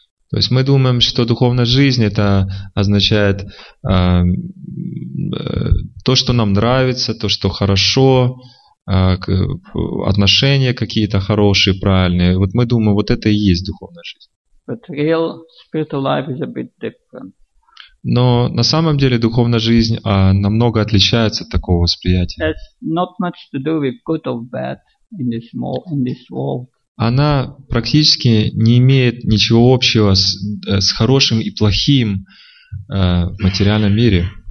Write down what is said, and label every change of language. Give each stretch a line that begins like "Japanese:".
Russian: То есть мы думаем, что духовная жизнь это означает то, что нам нравится, то, что хорошо, отношения какие-то хорошие, правильные. Вот мы думаем, вот это и есть духовная жизнь.
English: But real spiritual life is a bit different.
Russian: Но на самом деле духовная жизнь намного отличается от такого восприятия.
English: It's not much to do with good or bad in this world.
Russian: Она практически не имеет ничего общего с хорошим и плохим в материальном мире.